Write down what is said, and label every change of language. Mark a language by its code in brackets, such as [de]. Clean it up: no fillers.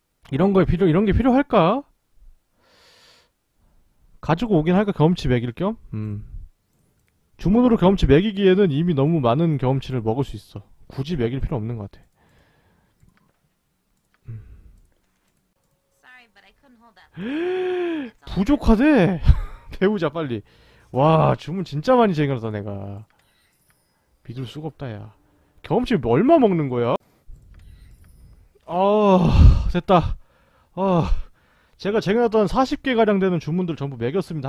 [ko] 이런 거에 필요, 이런 게 필요할까? 가지고 오긴 할까? 경험치 매길 겸? 주문으로 경험치 매기기에는 이미 너무 많은 경험치를 먹을 수 있어. 굳이 매길 필요 없는 것 같아. [en] Sorry, but I couldn't hold that. [ko] 부족하대! 배우자, 빨리. 와, 주문 진짜 많이 쟁여놨다, 내가. 믿을 수가 없다, 야. 경험치 얼마 먹는 거야? 아, 됐다. 아, 제가 쟁여놨던 40개가량 되는 주문들 전부 매겼습니다.